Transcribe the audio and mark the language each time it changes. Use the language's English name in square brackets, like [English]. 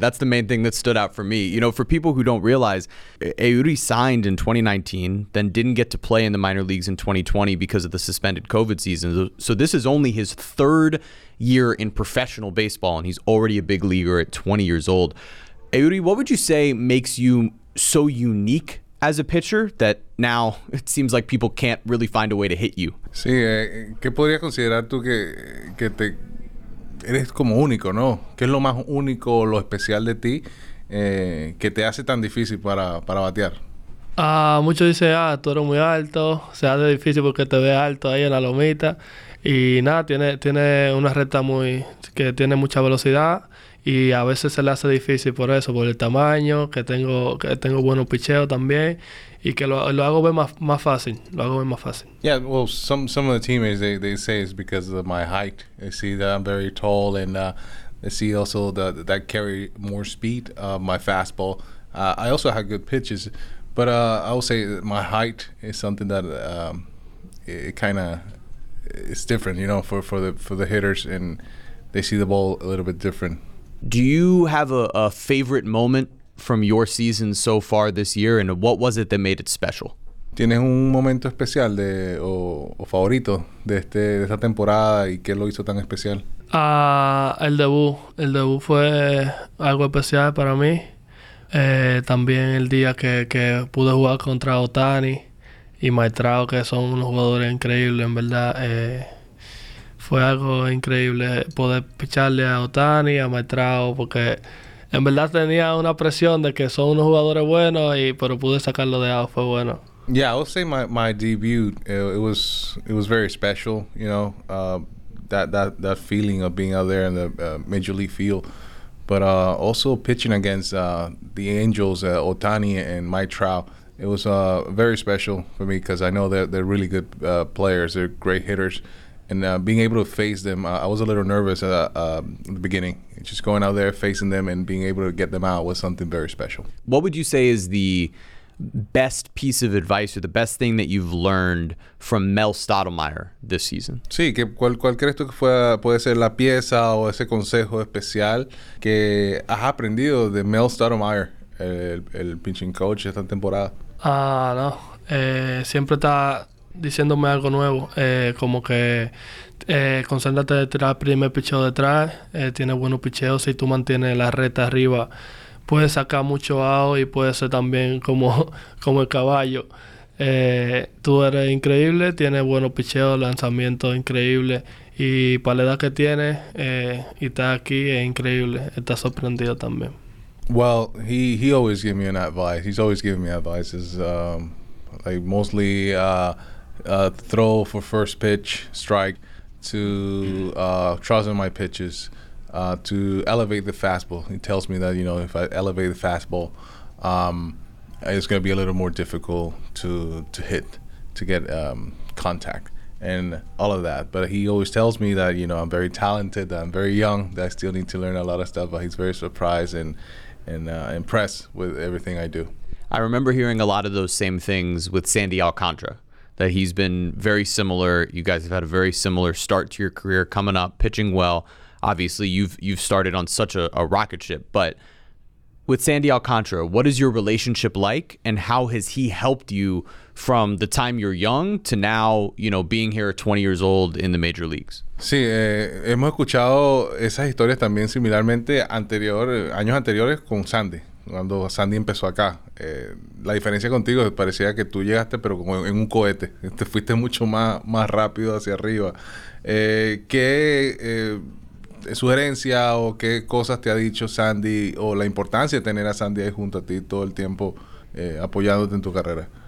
[English] That's the main thing that stood out for me. You know, for people who don't realize, Eury signed in 2019, then didn't get to play in the minor leagues in 2020 because of the suspended COVID season. So this is only his third year in professional baseball, and he's already a big leaguer at 20 years old. Eury, what would you say makes you so unique as a pitcher that now it seems like people can't really find a way to hit you? [Spanish] Sí, ¿qué podrías considerar tú que te eres como único, no? ¿Qué es lo más único, lo especial de ti que te hace tan difícil para batear? Muchos dicen, tú eres muy alto, se hace difícil porque te ve alto ahí en la lomita y nada, tiene una recta muy que tiene mucha velocidad. Y a veces se le hace difícil por eso, por el tamaño, que tengo buenos picheos también, y que lo hago ver más fácil, lo hago ver más fácil. [English] Yeah, well, some of the teammates, they say it's because of my height. They see that I'm very tall, and they see also that carry more speed, my fastball. I also have good pitches, but I would say my height is something that it's different, you know, for the hitters, and they see the ball a little bit different. Do you have a favorite moment from your season so far this year, and what was it that made it special? [Spanish] ¿Tienes un momento especial o favorito de esta temporada y qué lo hizo tan especial? El debut fue algo especial para mí. También el día que pude jugar contra Otani y Maestrao, que son unos jugadores increíbles, en verdad. Fue algo increíble poder picharle a Otani, a Maestrao, porque En verdad tenía una presión de que son unos jugadores buenos, y, pero pude sacarlo de out, fue bueno. [English] Yeah, I would say my debut, it was very special, you know, that feeling of being out there in the major league field. But also pitching against the Angels, Otani and Mike Trout, it was very special for me because I know they're really good players, they're great hitters. And being able to face them, I was a little nervous at the beginning. Just going out there, facing them, and being able to get them out was something very special. What would you say is the best piece of advice or the best thing that you've learned from Mel Stottlemyre this season? [Spanish] Sí, que cuál crees tú que puede ser la pieza o ese consejo especial que has aprendido de Mel Stottlemyre, el pitching coach esta temporada? No. Siempre está diciéndome algo nuevo, como que concéntrate de tirar el primer picheo detrás, tiene buenos picheos, si tú mantienes la recta arriba, puedes sacar mucho out y puedes ser también como el caballo. Tú eres increíble, tienes buenos picheos, lanzamiento increíble, y para la edad que tienes y estás aquí, es increíble, estás sorprendido también. [English] Well, he always gives me an advice. He's always giving me advice. Like mostly throw for first pitch, strike, to trust in my pitches, to elevate the fastball. He tells me that, you know, if I elevate the fastball, it's going to be a little more difficult to hit, to get contact and all of that. But he always tells me that, you know, I'm very talented, that I'm very young, that I still need to learn a lot of stuff, but he's very surprised and impressed with everything I do. I remember hearing a lot of those same things with Sandy Alcantara, that he's been very similar. You guys have had a very similar start to your career, coming up, pitching well. Obviously, you've started on such a rocket ship. But with Sandy Alcantara, what is your relationship like, and how has he helped you from the time you're young to now, you know, being here at 20 years old in the major leagues? [Spanish] Sí, hemos escuchado esas historias también similarmente años anteriores con Sandy. Cuando Sandy empezó acá, la diferencia contigo es que parecía que tú llegaste, pero como en un cohete, te fuiste mucho más rápido hacia arriba. ¿Qué sugerencia o qué cosas te ha dicho Sandy, o la importancia de tener a Sandy ahí junto a ti todo el tiempo apoyándote en tu carrera?